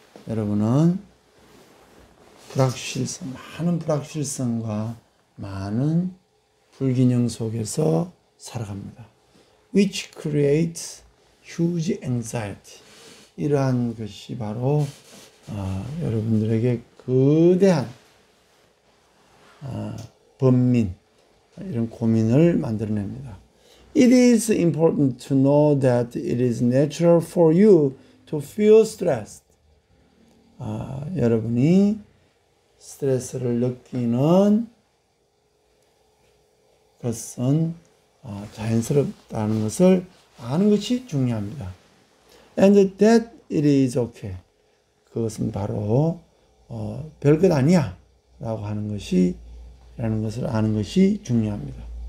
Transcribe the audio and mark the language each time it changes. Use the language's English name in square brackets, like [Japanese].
[Korean] 여러분은 불확실성, 많은 불확실성과 많은 불균형 속에서 살아갑니다. [English] Which creates huge anxiety. [Korean] 이러한 것이 바로 여러분들에게 거대한 번민, 이런 고민을 만들어냅니다. [English] It is important to know that it is natural for you to feel stressed. [Korean] 여러분이 스트레스를 느끼는 것은 자연스럽다는 것을 아는 것이 중요합니다. [English] And that it is okay. [Korean] 그것은 바로 별것 아니야 라고 하는 것이 라는 것을 아는 것이 중요합니다.